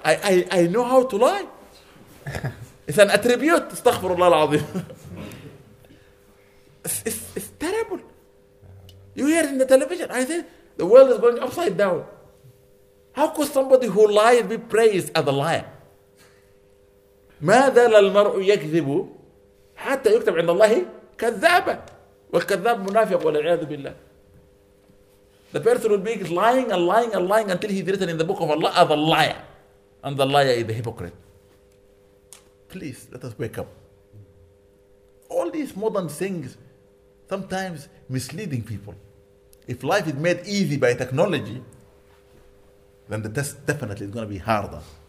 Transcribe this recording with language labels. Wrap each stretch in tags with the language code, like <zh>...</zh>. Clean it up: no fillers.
<en>I know how to lie. It's an attribute. Astaghfirullah al-Azim. It's terrible. You hear it in the television. I say, the world is going upside down. How could somebody who lies be praised as a liar?</en> <ar>ماذا للمرء يكذب حتى يكتب عند الله كذابا؟ والكذاب منافق والعياذ بالله.</ar> <en>The person will be lying and lying and lying until he's written in the book of Allah as a liar. And the liar is the hypocrite. Please, let us wake up. All these modern things sometimes misleading people. If life is made easy by technology, then the test definitely is going to be harder.</en>